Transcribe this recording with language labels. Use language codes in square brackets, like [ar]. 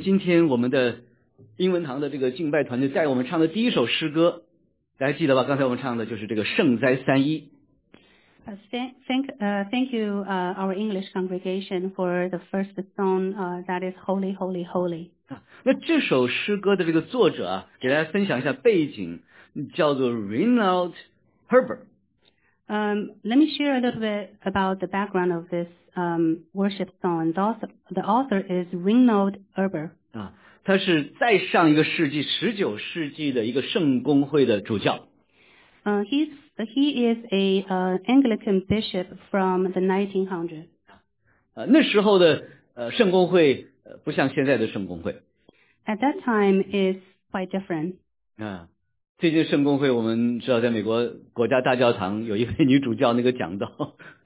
[zh] 今天我们的英文堂的这个敬拜团队带我们唱的第一首诗歌，大家记得吧？刚才我们唱的就是这个圣哉三一。 [en] Thank you, our English congregation for the first song, that is Holy, Holy, Holy. [zh] 那这首诗歌的这个作者啊，给大家分享一下背景，叫做 Reinhold Heber. [en] Let me share a little bit about the background of this worship song. The author is Reinhold Heber. [zh] 他是在上一个世纪19世纪的一个圣公会的主教。 [en] He is an Anglican bishop from the 1900s. [zh] 那时候的圣公会不像现在的圣公会。 [en] At that time, it's quite different. [zh] 最近圣公会我们知道在美国国家大教堂有一位女主教那个讲道。